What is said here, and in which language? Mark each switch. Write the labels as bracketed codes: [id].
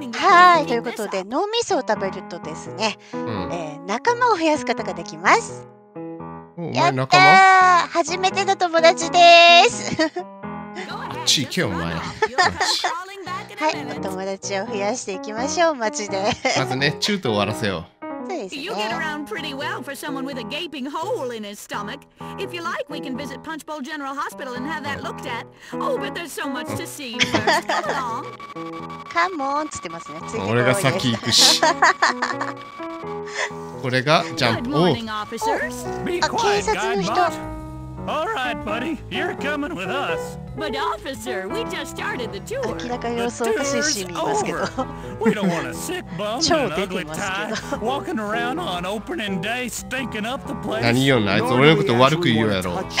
[ja] はい、ということで脳みそを食べるとですね、仲間を増やすことができます。お前仲間？やったー、初めての友達でーす。あっち行けよお前。はい、お友達を増やしていきましょう、マジで。まずね、中途終わらせよう。 [en] You get around pretty well for someone with a gaping hole in his stomach. If you like, we can visit Punchbowl General Hospital and have that looked at. Oh, but there's so much to see first. Come on. Come on. [ja] つってますね。俺が先行くし。これがジャンプ。 [en] Good morning, officers. Be quiet, guy boss. All right, buddy. You're coming with us. But officer, we just started the tour. [ja] 明らかに様子おかしいシーンいますけど。 [en] We don't want a sick bum and an ugly tie walking around on opening day stinking up the place. [ja] 何言うんだ、あいつ俺のこと悪く言うやろ。